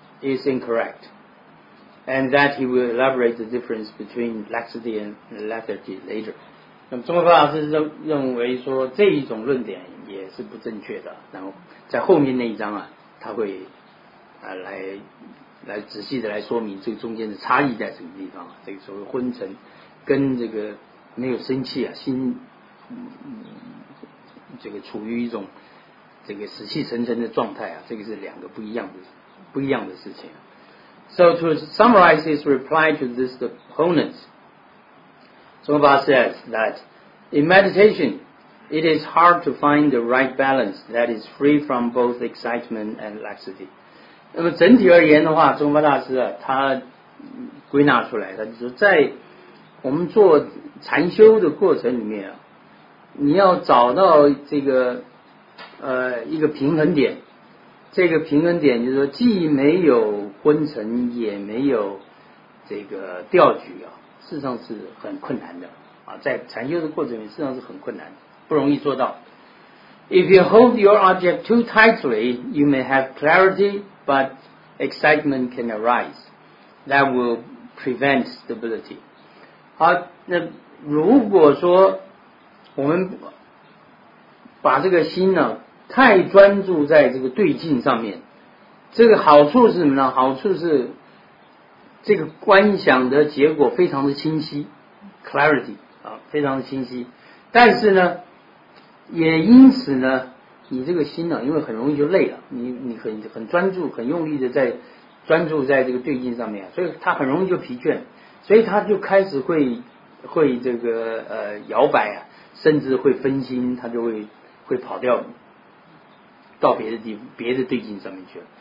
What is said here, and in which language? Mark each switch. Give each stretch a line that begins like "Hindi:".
English: Is incorrect, and that he will elaborate the difference between laxity and lethargy later.
Chinese: 那么中观法师认为说这一种论点也是不正确的，然后在后面那一章啊，他会来仔细的来说明这个中间的差异在什么地方啊？这个所谓昏沉跟这个没有生气啊，心这个处于一种这个死气沉沉的状态啊，这个是两个不一样的事情。
English: So to summarize his reply to this opponent, Tsongkhapa says that in meditation, it is hard to find the right balance that is free from both excitement and laxity.
Chinese: 那么整体而言的话，中观大师啊，他归纳出来，他就说在我们做禅修的过程里面啊，你要找到这个一个平衡点。这个平衡点就是说，既没有昏沉，也没有这个调举啊，事实上是很困难的啊，在禅修的过程里，事实上是很困难，不容易做到。
English: If you hold your object too tightly, you may have clarity, but excitement can arise that will prevent stability.
Chinese: 好，那如果说我们把这个心呢？太专注在这个对境上面，这个好处是什么呢？好处是这个观想的结果非常的清晰 clarity 啊，非常的清晰，但是呢也因此呢你这个心呢因为很容易就累了，你很专注很用力的在专注在这个对境上面，所以他很容易就疲倦，所以他就开始会这个摇摆啊，甚至会分心，他就会跑掉到别的地方，别的对境上面去了。